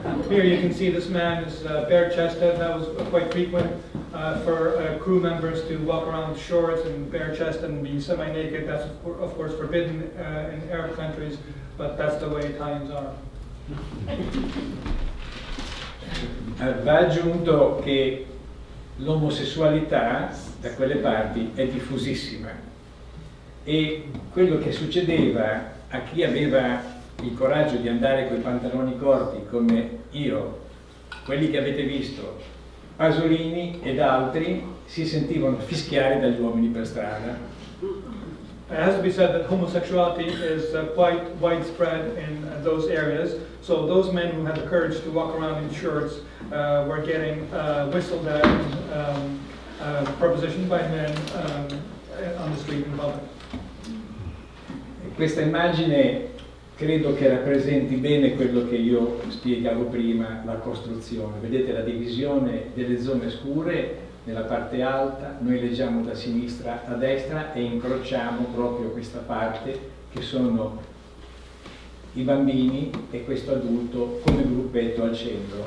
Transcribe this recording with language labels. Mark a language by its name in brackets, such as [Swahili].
[English] Here you can see this man is bare chested. That was quite frequent for crew members to walk around with shorts and bare chest and be semi-naked. That's of course forbidden in Arab countries, but that's the way Italians are. [Italian] Va aggiunto che l'omosessualità da quelle parti è diffusissima e quello che succedeva a chi aveva il coraggio di andare coi pantaloni corti come io, quelli che avete visto, Pasolini ed altri, si sentivano fischiare dagli uomini per strada. [English] It has to be said that homosexuality is quite widespread in those areas. So those men who had the courage to walk around in shirts were getting whistled at and propositioned by men on the street in public. [Italian] Questa immagine credo che rappresenti bene quello che io spiegavo prima, la costruzione. Vedete la divisione delle zone scure. Nella parte alta, noi leggiamo da sinistra a destra e incrociamo proprio questa parte che sono i bambini e questo adulto come gruppetto al centro.